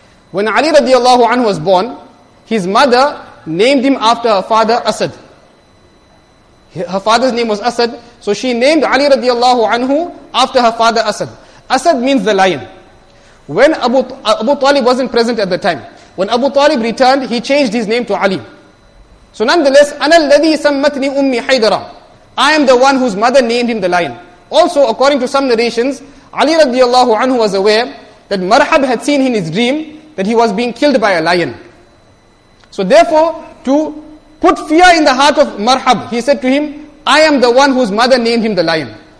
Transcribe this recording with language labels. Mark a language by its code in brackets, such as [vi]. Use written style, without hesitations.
[en] When Ali radiallahu anhu was born, his mother named him after her father Asad. Her father's name was Asad, so she named Ali radiallahu anhu after her father Asad. Asad means the lion. When Abu Talib wasn't present at the time, when Abu Talib returned, he changed his name to Ali. So nonetheless, [ar] أنا الذي سمتني أمي حيدرا. [en] I am the one whose mother named him the lion. Also, according to some narrations, Ali radiallahu anhu was aware that Marhab had seen in his dream that he was being killed by a lion. So therefore, to put fear in the heart of Marhab, he said to him, "I am the one whose mother named him the lion."